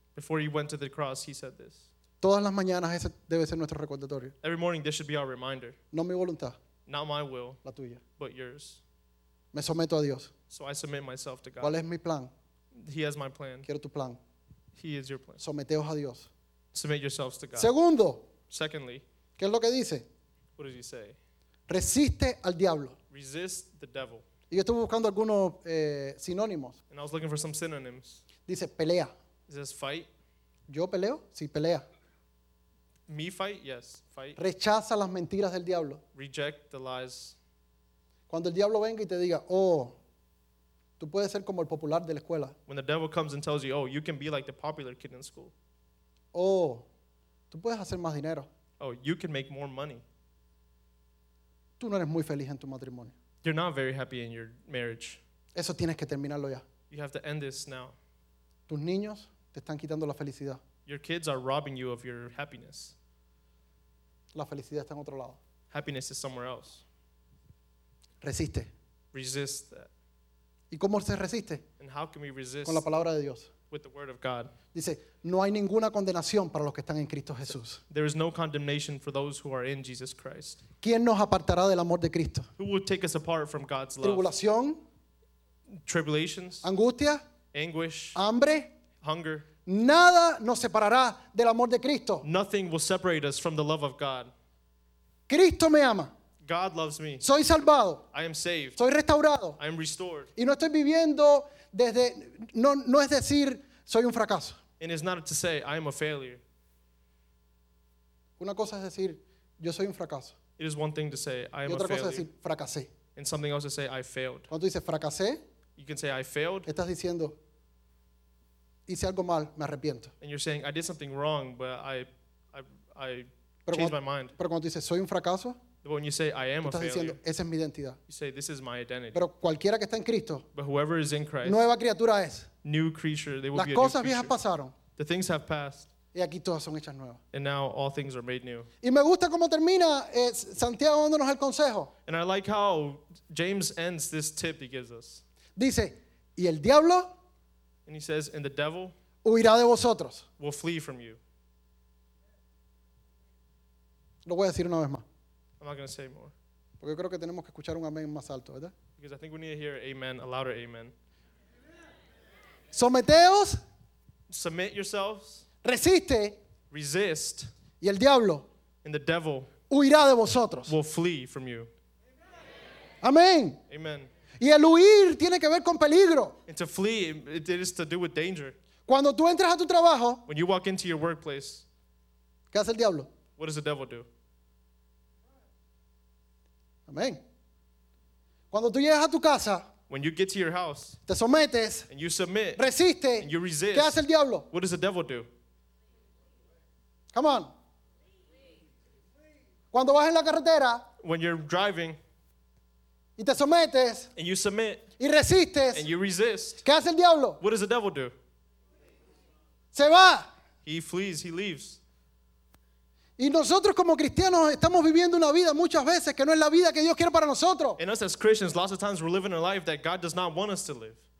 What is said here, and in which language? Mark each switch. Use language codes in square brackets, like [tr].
[en] Before he went to the cross, he said this. [es] Todas las mañanas, ese debe ser nuestro recordatorio. [en] Every morning, this should be our reminder. [es] No mi voluntad. [en] Not my will, [es] la tuya. [en] But yours. [es] Me someto a Dios. [en] So I submit myself to God. [es] ¿Cuál es mi plan? [en] He has my plan. [es] Quiero tu plan. [en] He is your plan. [es] Someteos a Dios. [en] Submit yourselves to God. [es] Segundo. [en] Secondly. [es] ¿Qué es lo que dice? [en] What does he say? [es] Resiste al diablo. [en] Resist the devil. [es] Y yo estuve buscando algunos sinónimos. [en] And I was looking for some synonyms. [es] Dice pelea. [en] It says fight. [es] Yo peleo, sí, pelea. [en] Me fight, yes, fight. [es] Rechaza las mentiras del diablo. [en] Reject the lies. [es] Cuando el diablo venga y te diga, oh, tú puedes ser como el popular de la escuela. [en] When the devil comes and tells you, oh, you can be like the popular kid in school. [es] Oh, tú puedes hacer más dinero. [en] Oh, you can make more money. [es] Tú no eres muy feliz en tu matrimonio. [en] You're not very happy in your marriage. [es] Eso tienes que terminarlo ya. [en] You have to end this now. [es] Tus niños te están quitando la felicidad. [en] Your kids are robbing you of your happiness. [es] La felicidad está en otro lado. [en] Happiness is somewhere else. [es] Resiste. [en] Resist that. [es] ¿Y cómo se resiste? [en] And how can we resist? [es] Con la palabra de Dios. [en] With the word of God. [es] Dice, no hay ninguna condenación para los que están en Cristo Jesús. [en] There is no condemnation for those who are in Jesus Christ. [es] ¿Quién nos apartará del amor de Cristo? [en] Who will take us apart from God's love? [es] Tribulación. [en] Tribulations. [es] Angustia. [en] Anguish. [es] Hambre. [en] Hunger. [es] Nada nos separará del amor de Cristo. [en] Nothing will separate us from the love of God. [es] Cristo me ama. [en] God loves me. [es] Soy salvado. [en] I am saved. [es] Soy restaurado. [en] I am restored. [es] Y no estoy viviendo desde, no es decir, soy un fracaso. [en] And it's not to say, I am a failure. [es] Una cosa es decir, yo soy un fracaso. [en] It is one thing to say, I am a failure. [es] Y otra cosa es decir, fracasé. [en] And something else to say, I failed. [es] Cuando dices fracasé, [en] you can say, I failed. [es] Estás diciendo, hice algo mal, me arrepiento. [en] And you're saying, I did something wrong, but I changed my mind. [es] Pero cuando dices, soy un fracaso, [en] but when you say, I am a failure, [es] diciendo, esa es mi identidad. [en] You say, this is my identity. [es] Pero cualquiera que está en Cristo, [en] but whoever is in Christ, [es] nueva criatura es. [en] New creature, they will [es] las [en] be [es] cosas [en] a new [es] viejas [en] creature. [es] Pasaron. [en] The things have passed. [es] Y aquí todas son hechas nuevas. [en] And now all things are made new. [es] Y me gusta cómo termina Santiago dándonos el consejo. [en] And I like how James ends this tip he gives us. [es] Dice, y el diablo, [en] and he says, and the devil, [es] huirá de vosotros, [en] will flee from you. [es] Lo voy a decir una vez más. [en] I'm not going to say more. [es] Porque creo que tenemos que escuchar un amén más alto, ¿verdad? [en] Because I think we need to hear amen, a louder amen. [es] Someteos. [en] Submit yourselves. [es] Resiste. [en] Resist. [es] Y el diablo. [en] And the devil. [es] Huirá de vosotros. [en] Will flee from you. [es] Amén. [en] Amen. [es] Y el huir tiene que ver con peligro. [en] And to flee, it is to do with danger. [es] Cuando tú entras a tu trabajo. [en] When you walk into your workplace. [es] ¿Qué hace el diablo? [en] What does the devil do? [es] Amén. Cuando tú llegas a tu casa, [en] when you get to your house, [es] te sometes, [en] and you submit, [es] resiste, [en] and you resist, [es] ¿qué hace el diablo? [en] What does the devil do? Come on. [es] Cuando vas en la carretera, [en] when you're driving, [es] y te sometes, [en] and you submit, [es] y resistes, [en] and you resist, [es] ¿qué hace el diablo? [en] What does the devil do? [es] Se va. [en] He flees, he leaves. [es] Y nosotros como cristianos estamos viviendo una vida muchas veces que no es la vida que Dios quiere para nosotros. [en] And us as Christians, lots of times we're living a life that God does not want us to live.